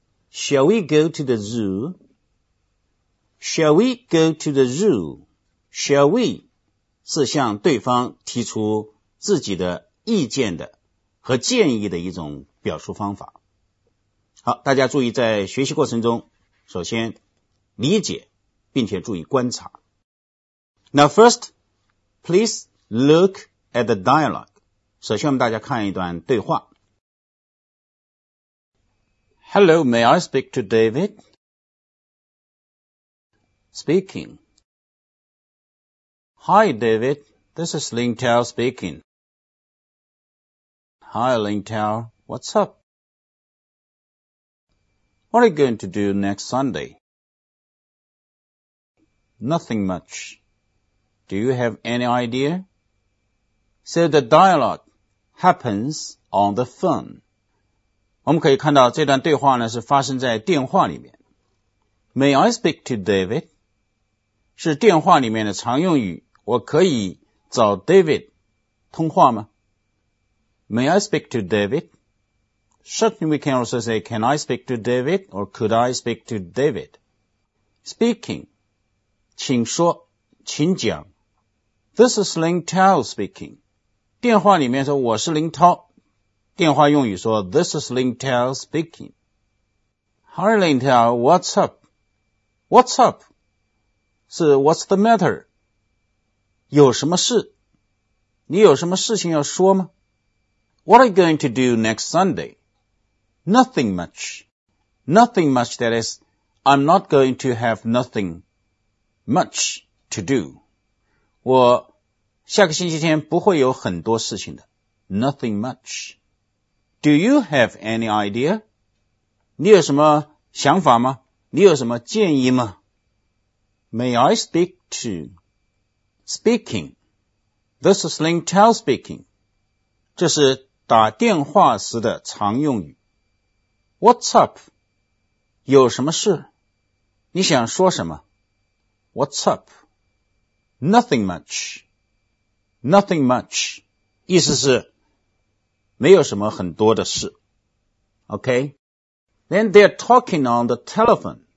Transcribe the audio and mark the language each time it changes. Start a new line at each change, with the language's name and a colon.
English: Shall we go to the zoo? Shall we go to the zoo? Shall we?
Chinese: 是向对方提出自己的意见的和建议的一种表述方法。好，大家注意，在学习过程中首先理解并且注意观察。
English: Now first, please look at the dialogue.
Chinese: 首先我们大家看一段对话。
English: Hello, may I speak to David? Speaking. Hi David, this is Ling Tao speaking. Hi Ling Tao, what's up? What are you going to do next Sunday? Nothing much. Do you have any idea? So the dialogue happens on the phone.
Chinese: 我们可以看到这段对话呢是发生在电话里面。
English: May I speak to David?
Chinese: 是电话里面的常用语。我可以找 David 通话吗？
English: May I speak to David? Certainly we can also say, can I speak to David or could I speak to David? Speaking,
Chinese: 请说请讲。
English: This is Ling Tao speaking.
Chinese: 电话里面说我是林涛。电话用语说
English: This is Ling Tao speaking. Hi Ling Tao, what's up? What's up?
Chinese: 是
English: what's the matter?
Chinese: 有什么事？你有什么事情要说吗？
English: What are you going to do next Sunday? Nothing much. Nothing much, that is, I'm not going to have nothing much to do.
Chinese: 我下个星期天不会有很多事情的。
English: Nothing much. Do you have any idea?
Chinese: 你有什么想法吗？你有什么建议吗？
English: May I speak to? Speaking. This is Ling Tao speaking.
Chinese: 这是打电话时的常用语。
English: What's up?
Chinese: 有什么事？你想说什么？
English: What's up? Nothing much. Nothing much.
Chinese: 意思是没有什么很多的事。
English: Okay? Then they're talking on the telephone.